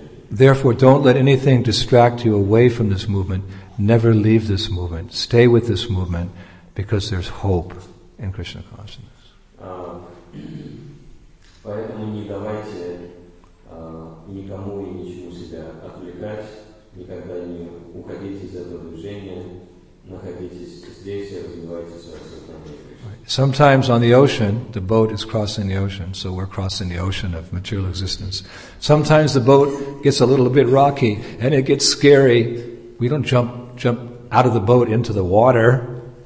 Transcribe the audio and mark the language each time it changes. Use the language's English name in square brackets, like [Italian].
[English] Therefore, don't let anything distract you away from this movement. Never leave this movement. Stay with this movement because there's hope in Krishna consciousness. [Russian] Поэтому не давайте никому и ничему себя отвлекать, никогда не уходите из этого движения, находитесь здесь и развивайте свое сознание. [English] Sometimes on the ocean, the boat is crossing the ocean, so we're crossing the ocean of material existence. Sometimes the boat gets a little bit rocky and it gets scary. We don't jump out of the boat into the water.